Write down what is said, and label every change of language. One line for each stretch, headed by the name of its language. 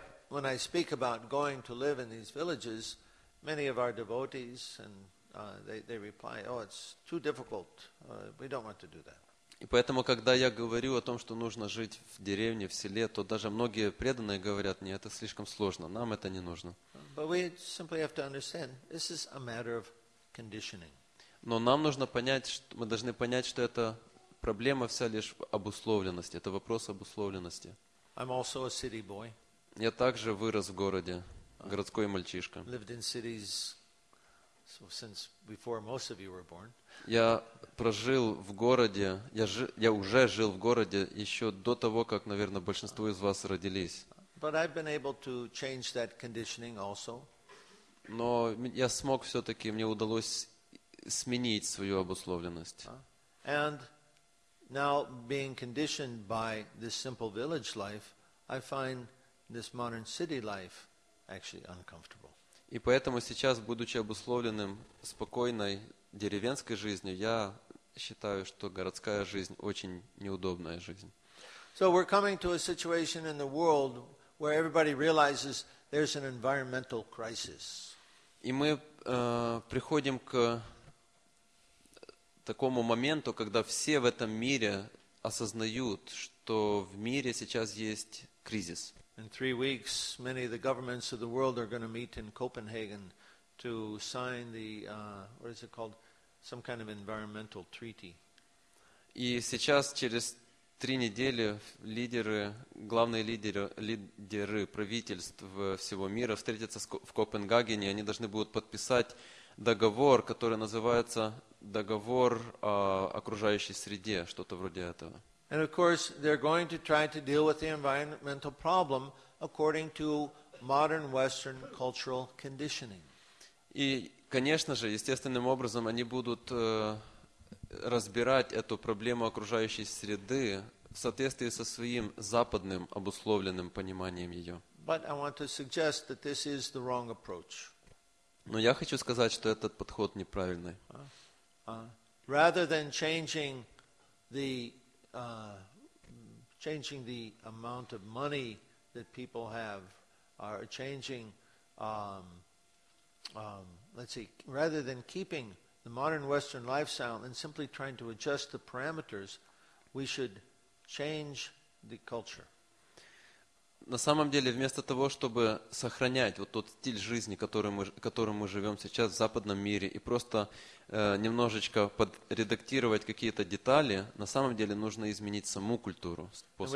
English: When I speak about going to live in these villages, many of our devotees and they reply, "Oh, it's too difficult. We don't want to do that."
Russian: И поэтому, когда я говорю о том, что нужно жить в деревне, в селе, то даже многие преданные говорят мне, это слишком сложно, нам это не нужно.
English: But we simply have to understand this is a matter of conditioning.
Russian: Но нам нужно понять, что мы должны понять, что это проблема вся лишь в обусловленности, это вопрос обусловленности.
English: I'm also a city boy.
Russian: Я также вырос в городе, городской мальчишка.
English: Lived in cities since before most of you were born.
Russian: Я прожил в городе, я уже жил в городе еще до того, как, наверное, большинство из вас родились.
English: But I've been able to change that conditioning also.
Russian: Но я смог все-таки, мне удалось сменить свою обусловленность. И поэтому сейчас, будучи обусловленным спокойной деревенской жизнью, я считаю, что городская жизнь очень неудобная жизнь.
English: So we're coming to a situation in the world where everybody realizes there's an environmental crisis.
Russian: И мы приходим к такому моменту, когда все в этом мире осознают, что в мире сейчас есть кризис.
English: In 3 weeks, many of the governments of the world are going to meet in Copenhagen to sign the what is it called? Some kind of environmental treaty.
Russian: И сейчас через 3 недели лидеры, главные лидеры, лидеры правительств всего мира встретятся в Копенгагене, и они должны будут подписать договор, который называется договор о окружающей среде, что-то вроде этого.
English: And of course, they're going to try to deal with the environmental problem according to modern Western cultural conditioning.
Russian: И, конечно же, естественным образом они будут разбирать эту проблему окружающей среды в соответствии со своим западным обусловленным пониманием ее.
English: But I want to suggest that this is the wrong approach.
Russian: Но я хочу сказать, что этот подход неправильный.
English: Rather than changing the amount of money that people have, or changing, rather than keeping the modern Western lifestyle and simply trying to adjust the parameters, we should change the culture.
Russian: На самом деле, вместо того, чтобы сохранять вот тот стиль жизни, который мы живем сейчас в западном мире, и просто немножечко подредактировать какие-то детали, на самом деле нужно изменить саму культуру, способ